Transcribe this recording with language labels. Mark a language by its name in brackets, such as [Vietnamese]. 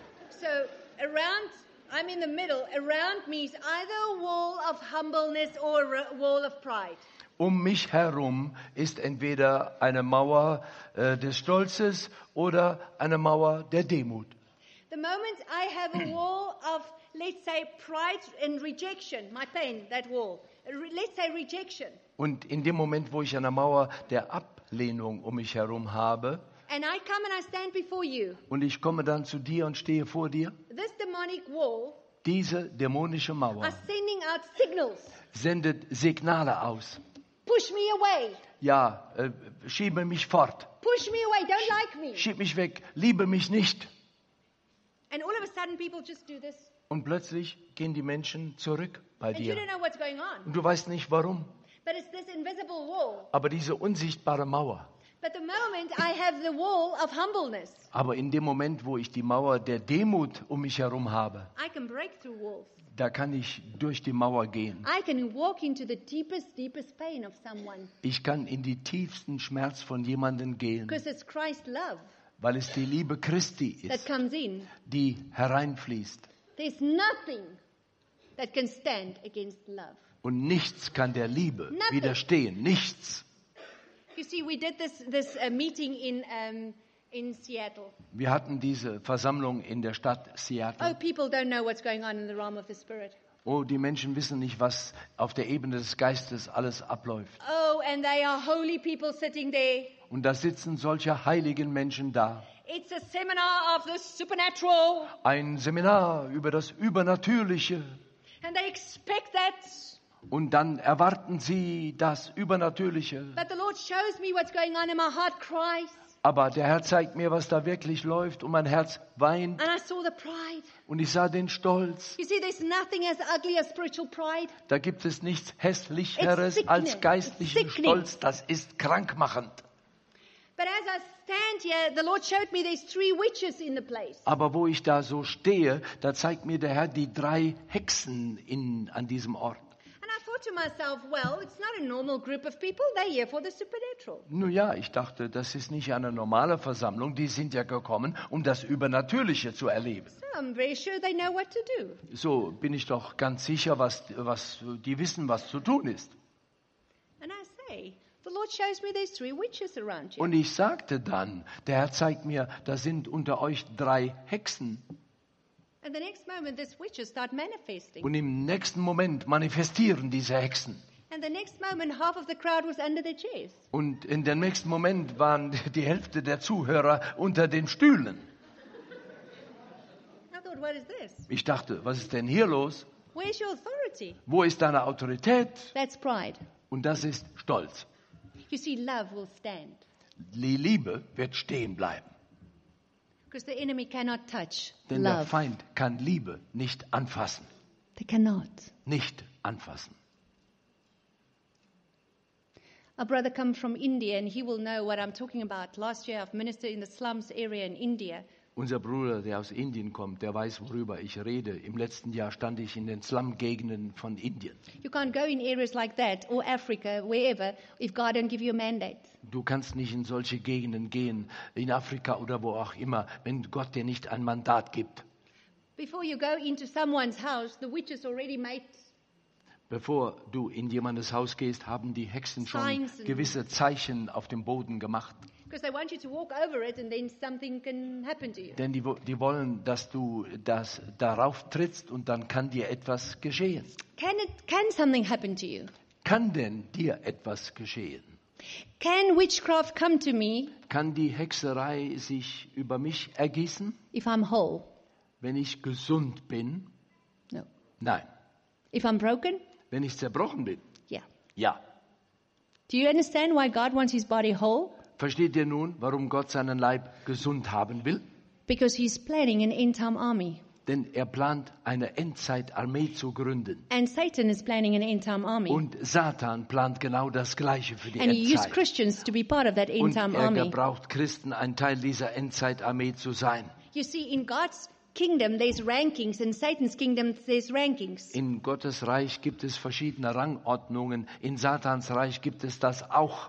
[English] So, around, I'm in the middle. Around me is either a wall of humbleness or a wall of pride. [German] Mich herum ist entweder eine Mauer des Stolzes oder eine Mauer der Demut. [English] The moment I have a wall of, let's say, pride and rejection, my pain, that wall. Let's say rejection. [German] Und in dem Moment, wo ich eine Mauer der Ablehnung mich herum habe, [English] and I come and I stand before you. [German] Und ich komme dann zu dir und stehe vor dir. [English] This demonic wall, [German] diese dämonische Mauer, [English] are sending out signals, [German] sendet Signale aus. [English] Push me away. [German] Ja, schiebe mich fort. [English] Push me away. Don't like me. [German] Schieb mich weg. Liebe mich nicht. [English] And all of a sudden people just do this. [German] Und plötzlich gehen die Menschen zurück bei [English] and [German] dir. [English] You don't know what's going on. [German] Und du weißt nicht warum. [English] But it's this invisible wall. [German] Aber diese unsichtbare Mauer. [English] But the moment I have the wall of humbleness. [German] Aber in dem Moment, wo ich die Mauer der Demut mich herum habe, [English] I can break through walls. [German] Da kann ich durch die Mauer gehen. [English] I can walk into the deepest pain of someone. [German] Ich kann in die tiefsten Schmerz von jemanden gehen. [English] Because it's Christ's love. [German] Weil es die Liebe Christi ist, [English] that comes in. [German] Die hereinfließt. [English] There's nothing that can stand against love. [German] Und nichts kann der Liebe [English] nothing. [German] Widerstehen. Nichts. [English] You see, we did this meeting in Seattle. [German] Wir hatten diese Versammlung in der Stadt Seattle. [English] Oh, people don't know what's going on in the realm of the spirit. [German] Oh, die Menschen wissen nicht, was auf der Ebene des Geistes alles abläuft. [English] Oh, and they are holy people sitting there. [German] Und da sitzen solche heiligen Menschen da. [English] It's a seminar of the supernatural. [German] Ein Seminar über das Übernatürliche. [English] And they expect that. [German] Und dann erwarten sie das Übernatürliche. [English] But the Lord shows me what's going on in my heart cries. [German] Aber der Herr zeigt mir, was da wirklich läuft, und mein Herz weint. [English] And I saw the pride. [German] Und ich sah den Stolz. [English] You see, there's nothing as ugly as spiritual pride. [German] Da gibt es nichts Hässlicheres als geistlichen Stolz. Das ist krankmachend. [English] But as I stand here, the Lord showed me there's three witches in the place. [German] Aber wo ich da so stehe, da zeigt mir der Herr die drei Hexen an diesem Ort. [English] And I thought to myself, well, it's not a normal group of people. They're here for the supernatural. [German] Nun ja, ich dachte, das ist nicht eine normale Versammlung. Die sind ja gekommen, um das Übernatürliche zu erleben. [English] So I'm very sure they know what to do. [German] So bin ich doch ganz sicher, was die wissen, was zu tun ist. [English] And I say, the Lord shows me there's three witches around you. [German] Und ich sagte dann, der Herr zeigt mir, da sind unter euch drei Hexen. [English] And the next moment, these witches start manifesting. [German] Und im nächsten Moment manifestieren diese Hexen. [English] And the next moment, half of the crowd was under the chairs. [German] Und in dem nächsten Moment waren die Hälfte der Zuhörer unter den Stühlen. [English] I thought, what is this? [German] Ich dachte, was ist denn hier los? [English] Where's your authority? [German] Wo ist deine Autorität? [English] That's pride. [German] Und das ist Stolz. [English] You see, love will stand. [German] Die Liebe wird stehen bleiben. [English] Because the enemy cannot touch [German] Denn [English] love. [German] Der Feind kann Liebe nicht anfassen. [English] They cannot. [German] Nicht anfassen. [English] A brother comes from India and he will know what I'm talking about. Last year I've ministered in the slums area in India. [German] Unser Bruder, der aus Indien kommt, der weiß, worüber ich rede. Im letzten Jahr stand ich in den Slum-Gegenden von Indien. [English] You can't go in areas like that or Africa, wherever, if God don't give you a mandate. [German] Du kannst nicht in solche Gegenden gehen, in Afrika oder wo auch immer, wenn Gott dir nicht ein Mandat gibt. [English] Before you go into someone's house, the witch has already made. [German] Bevor du in jemandes Haus gehst, haben die Hexen schon gewisse Zeichen auf dem Boden gemacht. [English] Because they want you to walk over it and then something can happen to you. [German] Denn die wollen, dass du das darauf trittst und dann kann dir etwas geschehen. [English] Can something happen to you? [German] Kann denn dir etwas geschehen? [English] Can witchcraft come to me? [German] Kann die Hexerei sich über mich ergießen? [English] If I'm whole? [German] Wenn ich gesund bin? [English] No. [German] Nein. [English] If I'm broken? [German] Wenn ich zerbrochen bin? [English] Yeah. [German] Ja. [English] Do you understand why God wants his body whole? [German] Versteht ihr nun, warum Gott seinen Leib gesund haben will? [English] Because he's planning an end-time army. [German] Denn er plant, eine Endzeitarmee zu gründen. [English] And Satan is planning an end-time army. [German] Und Satan plant genau das Gleiche für die [English] and [German] Endzeit. [English] He used Christians to be part of that end-time [German] Und er [English] army. [German] Gebraucht Christen, ein Teil dieser Endzeitarmee zu sein. [English] You see, in God's kingdom there's rankings, in Satan's kingdom there's rankings. [German] In Gottes Reich gibt es verschiedene Rangordnungen, in Satans Reich gibt es das auch.